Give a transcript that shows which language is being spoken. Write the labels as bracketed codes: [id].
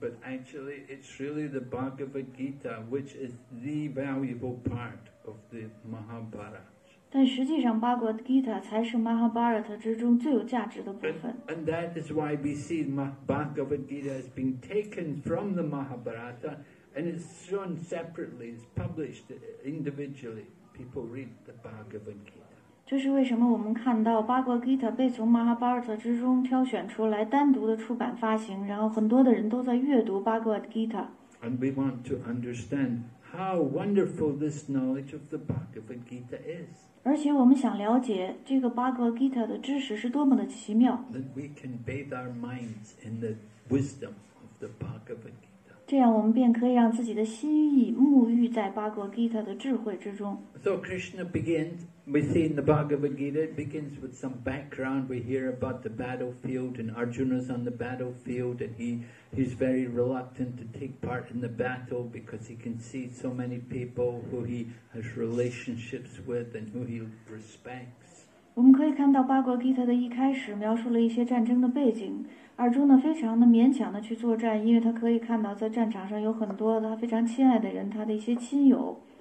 [en] but actually it's really the Bhagavad Gita, which is the valuable part of the Mahabharata. [zh] 但实际上 Bhagavad Gita 才是 Mahabharata 之中最有价值的部分。 [en] And that is why we see Bhagavad Gita has been taken from the Mahabharata, and it's shown separately, it's published individually. People read the Bhagavad Gita. [zh] 这是为什么我们看到巴格吉塔被从马哈巴尔特之中挑选出来单独的出版发行，然后很多的人都在阅读巴格吉塔。 [en] And we want to understand how wonderful this knowledge of the Bhagavad Gita is. [zh] 而且我们想了解这个巴格吉塔的知识是多么的奇妙。 [en] That we can bathe our minds in the wisdom of the Bhagavad Gita. [zh] 这样我们便可以让自己的心意沐浴在巴格吉塔的智慧之中。 [en] So Krishna begins, we see in the Bhagavad Gita, it begins with some background. We hear about the battlefield and Arjuna's on the battlefield and he's very reluctant to take part in the battle because he can see so many people who he has relationships with and who he respects. [zh] 我们可以看到巴格吉塔的一开始描述了一些战争的背景。而中呢非常的勉强的去作战，因为他可以看到在战场上有很多他非常亲爱的人，他的一些亲友。